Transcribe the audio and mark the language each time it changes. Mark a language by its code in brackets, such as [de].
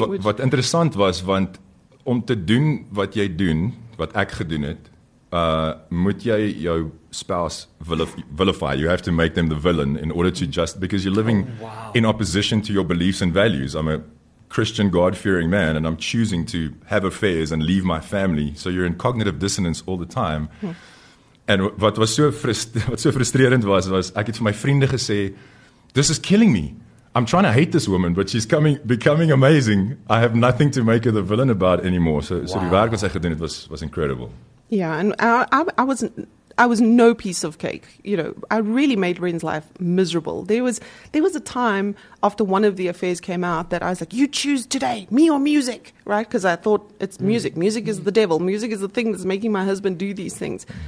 [af] Wat interessant was, want om te doen wat jy doen, wat ek gedoen het, moet jy jou spouse vilify. [en] You have to make them the villain in order to just, because you're living in opposition to your beliefs and values. I'm a Christian, God-fearing man, and I'm choosing to have affairs and leave my family. So you're in cognitive dissonance all the time. And [af] wat so frustrerend was, ek het vir my vriende gesê, [en] this is killing me. I'm trying to hate this woman, but she's becoming amazing. I have nothing to make her the villain about anymore. [af] So die werk wat sy gedoen het was incredible. [en] Yeah, and I was no piece of cake. You know, I really made Ren's life miserable. There was a time after one of the affairs came out that I was like, you choose today, me or music, right? Because I thought it's music. Music is the devil. Music is the thing that's making my husband do these things.